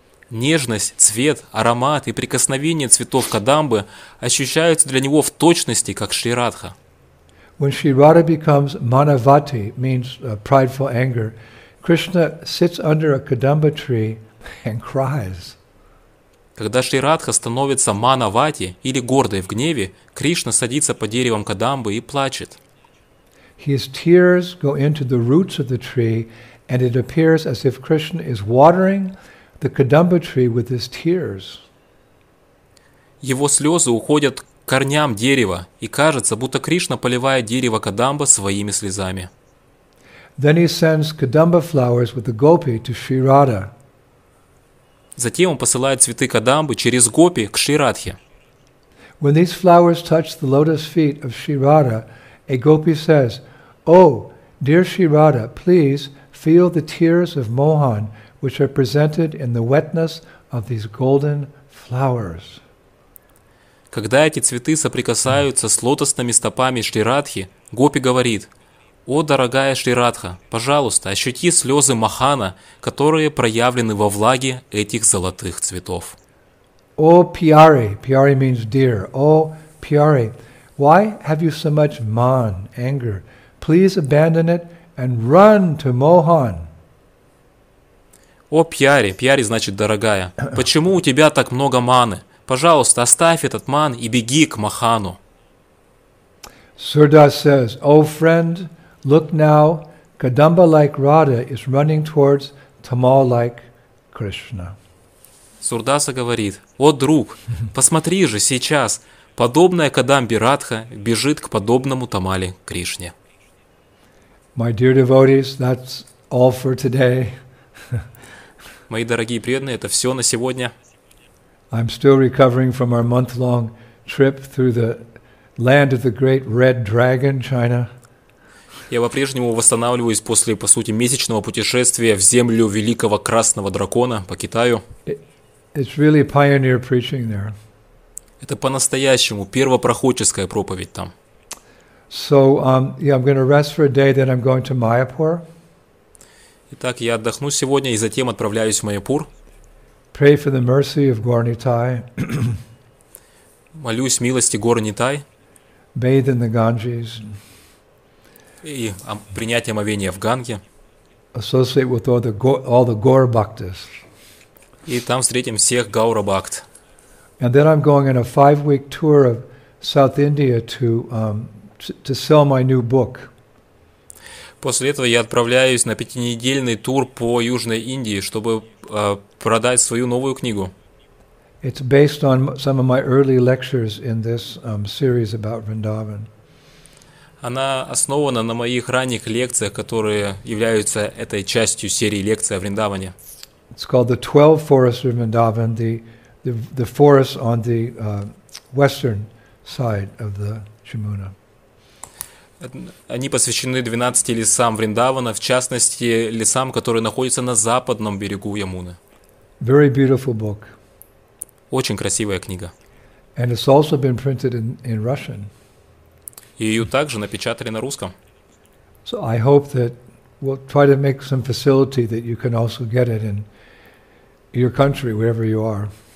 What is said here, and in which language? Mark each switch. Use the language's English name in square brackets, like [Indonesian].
[Russian] Нежность, цвет, аромат и прикосновение цветов кадамбы ощущаются для него в точности, как Шри Радха. [English] When Sri Radha becomes manavati, means prideful anger, Krishna sits under a kadamba tree and cries. [Russian] Когда Шри Радха становится манавати или гордой в гневе, Кришна садится под деревом кадамбы и плачет. [English] His tears go into the roots of the tree, and it appears as if Krishna is watering the kadamba tree with his tears. [Russian] Его слезы уходят корням дерева, и кажется, будто Кришна поливает дерево Кадамба своими слезами. [English] Then he sends Kadamba flowers with the gopi to Shri Radha. [Russian] Затем он посылает цветы Кадамбы через гопи к Шри Радхе. [English] When these flowers touch the lotus feet of Shri Radha, a gopi says, "O, dear Shri Radha, please feel the tears of Mohan which are presented in the wetness of these golden flowers." [Russian] Когда эти цветы соприкасаются с лотосными стопами Шри Радхи, гопи говорит: «О, дорогая Шри Радха, пожалуйста, ощути слезы Махана, которые проявлены во влаге этих золотых цветов». [English] «О, Пьяри», «Пьяри» means dear, «О, Пьяри», «Why have you so much man, anger? Please abandon it and run to Mohan». [Russian] «О, Пьяри», «Пьяри» значит «дорогая», «Почему у тебя так много маны? Пожалуйста, оставь этот ман и беги к Махану». [English] Сурдас says, «О, friend, look now, Kadamba-like Radha is running towards Tamal-like Krishna». [Russian] Сурдаса говорит: «О, друг, посмотри же сейчас, подобная Кадамбе Радха бежит к подобному Тамале Кришне». [English] My dear devotees, that's all for today. [Russian] Мои дорогие преданные, это все на сегодня. [English] I'm still recovering from our month-long trip through the land of the great red dragon, China. [Russian] Я по-прежнему восстанавливаюсь после, по сути, месячного путешествия в землю великого красного дракона по Китаю. [English] It's really pioneer preaching there. [Russian] Это по-настоящему первопроходческая проповедь там. [English] So, yeah, I'm going to rest for a day, then I'm going to Mayapur. [Russian] Итак, я отдохну сегодня и затем отправляюсь в Майяпур. [English] Pray for the mercy of Gaur Nitai. [Russian] Молюсь милости Гор Нитай. [English] Bathe in the Ganges. [Russian] И принять омовение в Ганге. [English] Associate with all the Gaur Bhaktas. [Russian] И там встретим всех Гаура Бхакт. [English] And then I'm going on a 5-week tour of South India to sell my new book. [Russian] После этого я отправляюсь на 5-недельный тур по Южной Индии, чтобы продать свою новую книгу. [English] It's based on some of my early lectures in this series about Vrindavan. [Russian] Она основана на моих ранних лекциях, которые являются этой частью серии лекций о Вриндаване. [English] It's called the 12 forests of Vrindavan, the forests on the western side of the Yamuna. [Russian] Они посвящены 12 лесам Вриндавана, в частности, лесам, которые находятся на западном берегу Ямуны. [English] Very beautiful book. [Russian] Очень красивая книга. [English] And it's also been printed in Russian. [Russian] Ее также напечатали на русском. [English] So I hope that we'll try to make some facility that you can also get it in your country, wherever you are.